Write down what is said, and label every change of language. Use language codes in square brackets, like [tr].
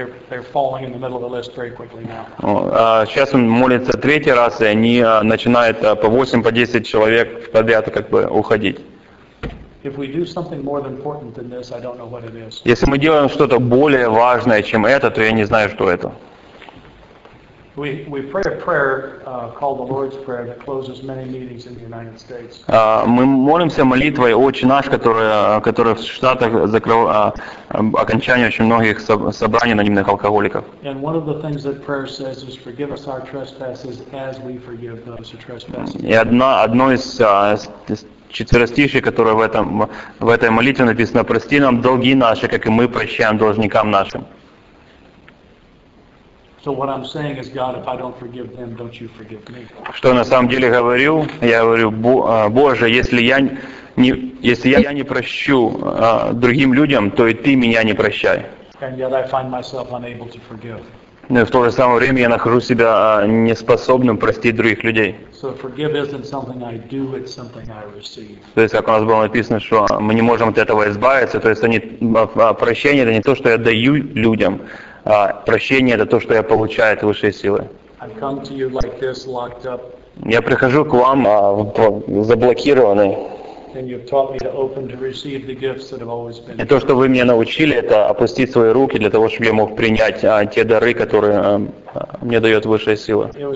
[en] They're falling in the middle of the list very quickly now. [ru] Сейчас он молится третий раз, и они начинают по 8, по 10 человек подряд как бы уходить. [en] If we do something more important than this, I don't know what it is. [ru] Если мы делаем что-то более важное, чем это, то я не знаю, что это. [en] We pray a prayer called the Lord's Prayer that closes many meetings in the United States. [ru] Мы молимся молитвой «Отче наш», которая в Штатах закрывает окончание очень многих собраний анонимных алкоголиков. [en] And one of the things that prayer says is forgive us our trespasses as we forgive those who trespass. [ru] И одно из четверостишей, которое в этой молитве написано: «Прости нам долги наши, как и мы прощаем должникам нашим». [en] So what I'm saying is, God, if I don't forgive them, don't you forgive me? [ru] Что на самом деле говорю? Я говорю: Боже, если я не прощу другим людям, то и ты меня не прощай. [en] And yet I find myself unable to forgive. [ru] Но в то же самое время я нахожу себя неспособным простить других людей. [en] So forgive isn't something I do, it's something I receive. [ru] То есть, как у нас было написано, что мы не можем от этого избавиться, то есть прощение — это не то, что я даю людям. Прощение — это то, что я получаю от высшей силы. [en] Like this, [ru] я прихожу к вам заблокированный. И то, что вы меня научили, это опустить свои руки для того, чтобы я мог принять те дары, которые мне дает высшая сила.